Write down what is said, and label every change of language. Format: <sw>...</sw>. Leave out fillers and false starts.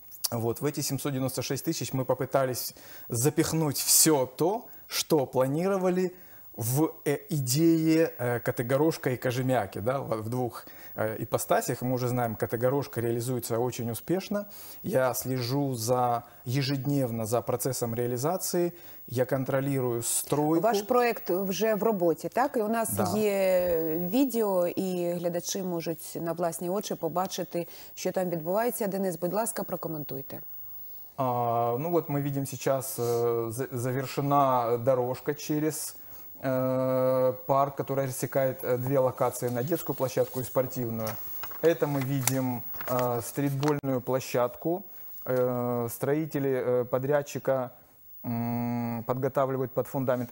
<ru>Вот, в эти 796 тысяч мы попытались запихнуть все то, что планировали в идее Категорожка и Кожемяки, да, в двух ипостасях. Мы уже знаем, Категорожка реализуется очень успешно. Я слежу за ежедневно за процессом реализации, я контролирую стройку.</ru> <uk>Ваш проект вже в роботі, так? І у нас да. Є відео, і глядачі можуть на власні очі побачити, що там відбувається. Денис, будь ласка, прокоментуйте.</uk> <ru>Ну вот мы видим сейчас завершена дорожка через парк, который рассекает две локации на детскую площадку и спортивную. Это мы видим стритбольную площадку. Строители подрядчика подготавливают под фундамент.</ru>